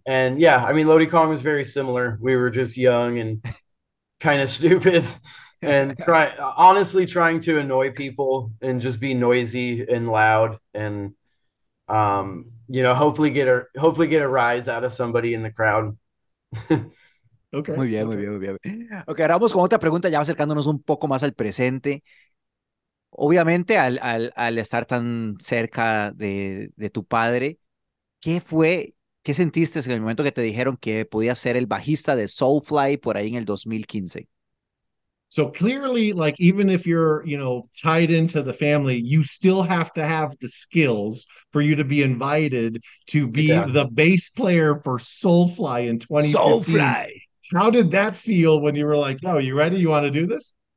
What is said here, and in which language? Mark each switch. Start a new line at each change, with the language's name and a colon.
English: And yeah, I mean, Lodi Kong was very similar. We were just young and kind of stupid and honestly trying to annoy people and just be noisy and loud and, you know, hopefully get a rise out of somebody in the crowd. Okay.
Spanish: Muy bien,
English: okay.
Spanish: Muy bien, muy bien. Ok, ahora vamos con otra pregunta, ya acercándonos un poco más al presente. Obviamente, al estar tan cerca de tu padre, ¿qué sentiste en el momento que te dijeron que podías ser el bajista de Soulfly por ahí en el 2015?
English: So clearly, like, even if you're, you know, tied into the family, you still have to have the skills for you to be invited to be the bass player for Soulfly in 2015. Soulfly! How did that feel when you were like, "Oh, you ready? You want to do this?"